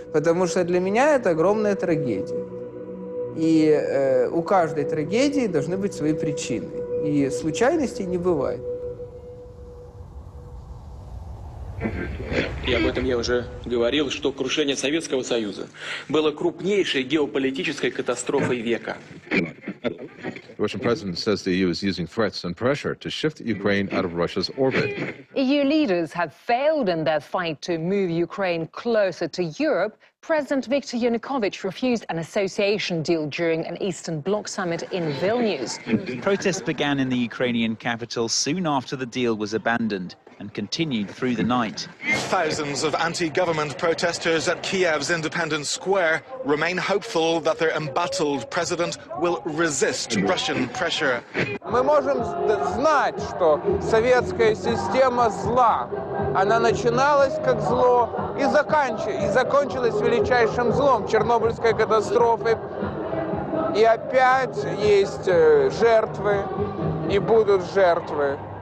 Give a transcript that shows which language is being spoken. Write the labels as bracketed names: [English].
[Russian] Потому что для меня это огромная трагедия. И у каждой трагедии должны быть свои причины. И случайностей не бывает. И об этом я уже говорил, что крушение Советского Союза было крупнейшей геополитической катастрофой века. [English] Russian president says the EU is using threats and pressure to shift Ukraine out of Russia's orbit. EU leaders have failed in their fight to move Ukraine closer to Europe. President Viktor Yanukovych refused an association deal during an Eastern Bloc summit in Vilnius. Protests began in the Ukrainian capital soon after the deal was abandoned and continued through the night. Thousands of anti-government protesters at Kiev's Independence Square remain hopeful that their embattled president will resist Russian pressure. [Russian] Мы можем знать, что советская система зла. Она начиналась как зло и закончилась величайшим злом Чернобыльской катастрофы. И опять есть жертвы, и будут жертвы.